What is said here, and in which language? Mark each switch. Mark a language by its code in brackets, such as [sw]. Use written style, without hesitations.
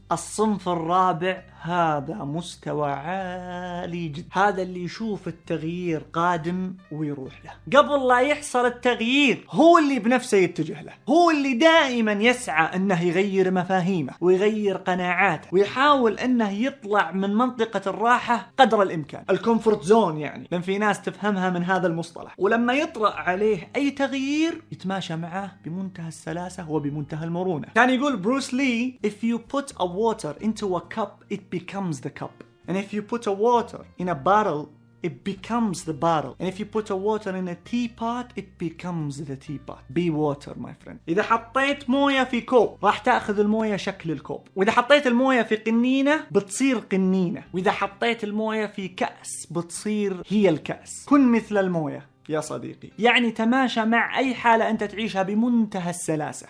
[ar] الصنف الرابع هذا مستوى عالي جدا، هذا اللي يشوف التغيير قادم ويروح له قبل لا يحصل التغيير، هو اللي بنفسه يتجه له، هو اللي دائما يسعى انه يغير مفاهيمه ويغير قناعاته ويحاول انه يطلع من منطقة الراحة قدر الامكان، الكومفورت زون يعني، لان في ناس تفهمها من هذا المصطلح. ولما يطرأ عليه اي تغيير يتماشى معه بمنتهى السلاسة وبمنتهى المرونة. كان يقول بروس لي [en] if you put a water into a cup it becomes the cup, and if you put a water in a bottle it becomes the bottle, and if you put a water in a teapot it becomes the teapot. Be water my friend. [ar] إذا حطيت موية في كوب راح تأخذ الموية شكل الكوب، وإذا حطيت الموية في قنينة بتصير قنينة، وإذا حطيت الموية في كأس بتصير هي الكأس. كن مثل الموية يا صديقي، يعني تماشى مع أي حالة أنت تعيشها بمنتهى السلاسة.